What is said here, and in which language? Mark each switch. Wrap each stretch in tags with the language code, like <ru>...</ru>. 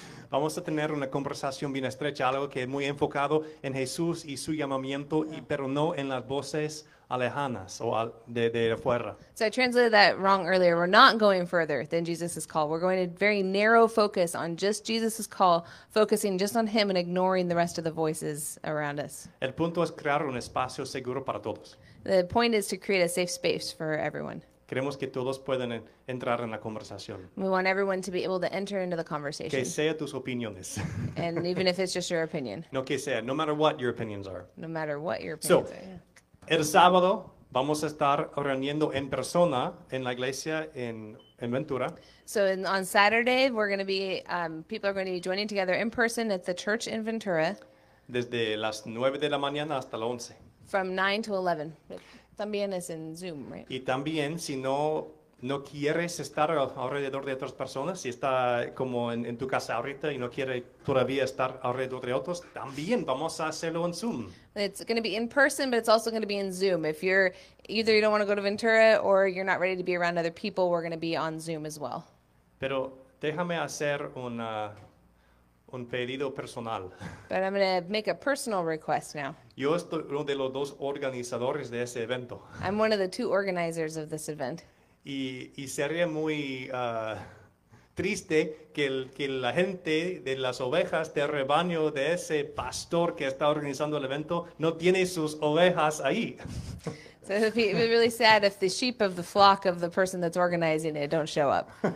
<es>Vamos a tener una conversación bien estrecha, algo que es muy enfocado en Jesús y su llamamiento,</es> <en>yeah.</en> <es>Pero no en las voces alejanas o de afuera.</es> <en>So I translated that wrong earlier. We're not going further than Jesus's call. We're going to very narrow focus on just Jesus's call, focusing just on him and ignoring the rest of the voices around us.</en> <es>El punto es crear un espacio seguro para todos.</es> <en>The point is to create a safe space for everyone.</en> <es>Queremos que todos puedan entrar en la conversación.</es> <en>We want everyone to be able to enter into the conversation.</en> <es>Que sea tus opiniones.</es> <en>And even if it's just your opinion.</en> <es>No que sea,</es> <en>no matter what your opinions are. No matter what your opinions are. So,</en> <es>el sábado vamos a estar reuniendo en persona en la iglesia en Ventura.</es> <en>So, on Saturday, we're going to be, people are going to be joining together in person at the church in Ventura.</en> <es>Desde las 9 de la mañana hasta las 11.</es> <en>From 9 to 11.</en> <es>También es en Zoom,</es> <en>right?</en> <es>Y también, si no quieres estar alrededor de otras personas, si está como en tu casa ahorita y no quiere todavía estar alrededor de otros, también vamos a hacerlo en Zoom.</es> <en>It's going to be in person, but it's also going to be in Zoom. If you're either you don't want to go to Ventura or you're not ready to be around other people, we're going to be on Zoom as well.</en> <es>Pero déjame hacer un pedido personal.</es> <en>But I'm going to make a personal request now.</en> <es>Yo estoy uno de los dos organizadores de ese evento.</es> <en>I'm one of the two organizers of this event.</en> <es>Y sería muy triste que la gente de las ovejas del rebaño de ese pastor que está organizando el evento no tiene sus ovejas ahí.</es> <en>So it would be really sad if the sheep of the flock of the person that's organizing it don't show up.</en>